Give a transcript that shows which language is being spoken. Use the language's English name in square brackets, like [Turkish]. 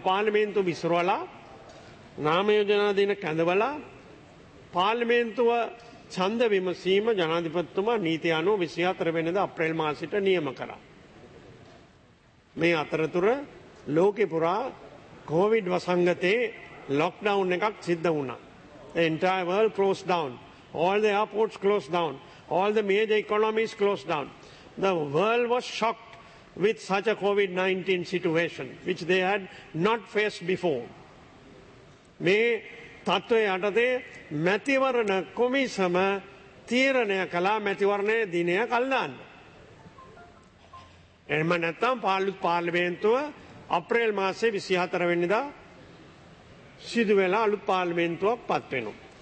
[Sinhala] පාර්ලිමේන්තුව විසිරුවලා නාම යෝජනා දින කැඳවලා පාර්ලිමේන්තුව ඡන්ද විමසීම ජනාධිපතිතුමා නීති අනුව 24 වෙනිදා අප්‍රේල් මාසයට නියම කරා. මේ අතරතුර ලෝකෙ පුරා කෝවිඩ් වසංගතයේ ලොක්ඩවුන් එකක් සිද්ධ වුණා. [English] entire world closed down, all the airports closed down, all the major economies closed down. The world was shocked with such a COVID-19 situation which they had not faced before. [Sinhala] මේ තත්ත්වය යටතේ මැතිවරණ කොමිසම තීරණය කළා මැතිවරණයේ දිනය කල්ලාන්න. එම නැත්තම් පාර්ලිමේන්තුව අප්‍රේල් මාසේ 24 වෙනිදා සිදුවෙලා අලුත් පාර්ලිමේන්තුවක් පත්වෙනවා.